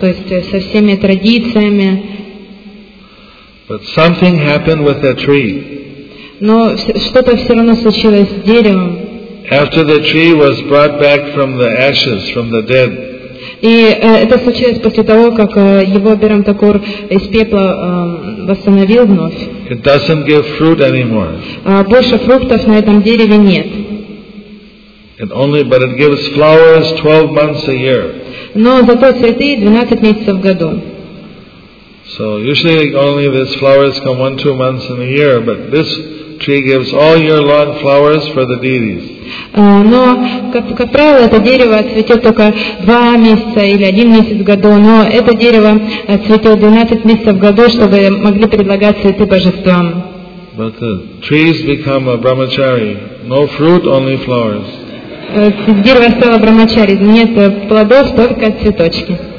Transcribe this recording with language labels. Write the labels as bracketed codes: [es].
[ru] То есть со всеми традициями. [en] But something happened with the tree. [ru] Но что-то все равно случилось с деревом. [en] After the tree was brought back from the ashes, from the dead. [ru] И это случилось после того, как его Абирам Такур из пепла восстановил вновь. [en] It doesn't give fruit anymore. [ru] Больше фруктов на этом дереве нет. [en] But it gives flowers 12 months a year. [ru] Но зато цветы 12 месяцев в году. [en] So usually only these flowers come 1-2 months in a year, but this tree gives all year long flowers for the deities. [ru] Но, как правило, это дерево цветет только 2 месяца или 1 месяц в году, но это дерево цветет 12 месяцев в году, чтобы могли предлагать цветы божествам. [en] But the trees become a brahmachari. No fruit, only flowers. [ru] Дерево стало брахмачари, нет плодов, только цветочки.